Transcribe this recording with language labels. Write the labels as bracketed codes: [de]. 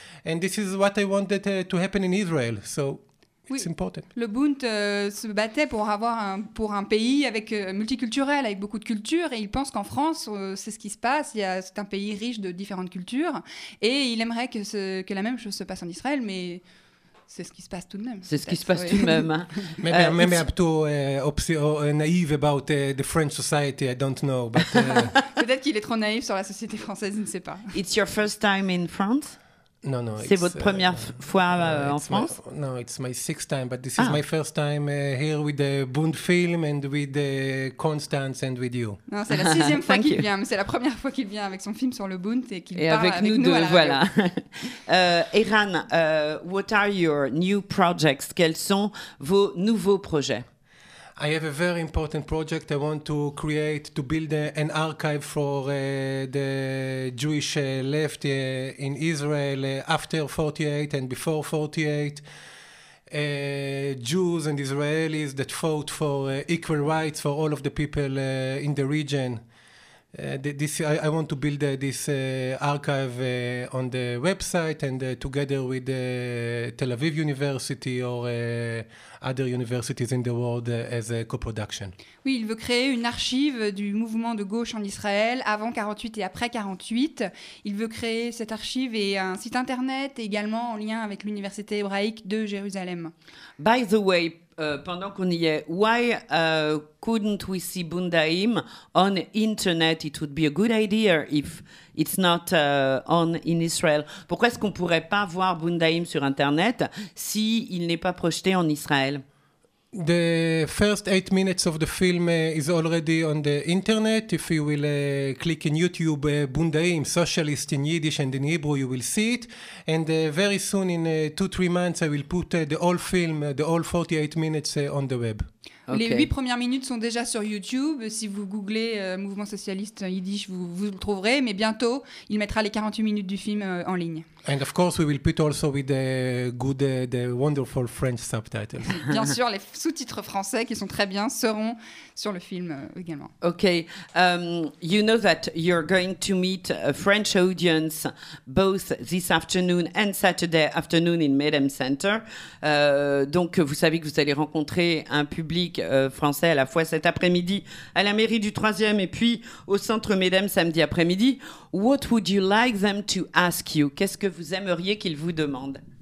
[en] And this is what I wanted to happen in Israel. So oui, it's important. [fr] Le Bund se battait pour avoir un pays avec multiculturel, avec beaucoup de cultures. Et il pense qu'en France, c'est ce qui se passe. C'est un pays riche de différentes cultures. Et il aimerait que la même chose se passe en Israël, mais... C'est ce qui se passe tout de même. C'est ce qui se passe tout de même. Hein. [en] Maybe I'm too naive about the French society. I don't know. But, [fr] Peut-être qu'il est trop naïf sur la société française. Je ne sais pas. [en] It's your first time in France? No. [fr] C'est votre première fois en France? [en] No, it's my sixth time. But this is my first time here with the Bund Film and with Constance and with you. [fr] Non, c'est la sixième fois qu'il vient. Mais c'est la première fois qu'il vient avec son film sur le Bund et qu'il et parle avec nous. Nous deux, voilà. [en] Eran, what are your new projects? [fr] Quels sont vos nouveaux projets? [en] I have a very important project. I want to create, to build an archive for the Jewish left in Israel after 48 and before 48. Jews and Israelis that fought for equal rights for all of the people in the region. I want to build this archive on the website and together with Tel Aviv University or other universities in the world as a co-production. [fr] Oui, il veut créer une archive du mouvement de gauche en Israël avant 48 et après 48. Il veut créer cette archive et un site internet également en lien avec l'université hébraïque de Jérusalem. [en] By the way, [fr] pendant qu'on y est, [en] why couldn't we see Bundaim on internet? It would be a good idea if it's not on in Israel. [fr] Pourquoi est-ce qu'on pourrait pas voir Bundaim sur internet si il n'est pas projeté en Israël? [en] The first 8 minutes of the film is already on the internet. If you will click in YouTube, Bundaim, socialist in Yiddish and in Hebrew, you will see it. And very soon, in 2-3 months, I will put the whole film, the whole 48 minutes on the web. [fr] Okay. Les 8 premières minutes sont déjà sur YouTube. Si vous googlez mouvement socialiste yiddish, vous le trouverez. Mais bientôt, il mettra les 48 minutes du film en ligne. [en] And of course, we will put also with the good, the wonderful French subtitles. [fr] Bien sûr, les sous-titres français qui sont très bien seront sur le film également. [en] Okay, you know that you're going to meet a French audience both this afternoon and Saturday afternoon in Medem Center. [fr] Donc, vous savez que vous allez rencontrer un public français à la fois cet après-midi à la mairie du 3e et puis au centre Medem samedi après-midi. [en] What would you like them to ask you? [fr] Qu'est-ce que vous aimeriez qu'ils vous demandent?